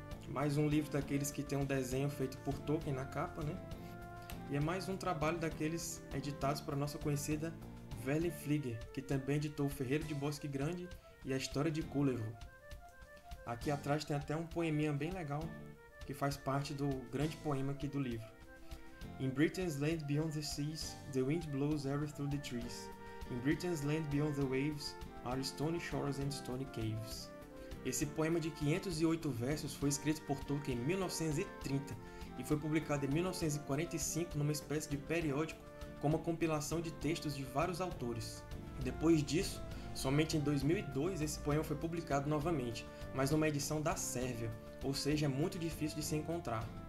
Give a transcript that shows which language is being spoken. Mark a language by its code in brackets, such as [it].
[pt] Mais um livro daqueles que tem um desenho feito por Tolkien na capa, né? E é mais um trabalho daqueles editados para a nossa conhecida Verlyn Flieger, que também editou Ferreiro de Bosque Grande e A História de Culevo. Aqui atrás tem até um poeminha bem legal, que faz parte do grande poema aqui do livro. [en] In Britain's land beyond the seas, the wind blows ever through the trees. In Britain's land beyond the waves, are stony shores and stony caves. [pt] Esse poema de 508 versos foi escrito por Tolkien em 1930 e foi publicado em 1945 numa espécie de periódico como a compilação de textos de vários autores. Depois disso, somente em 2002 esse poema foi publicado novamente, mas numa edição da Sérvia, ou seja, é muito difícil de se encontrar.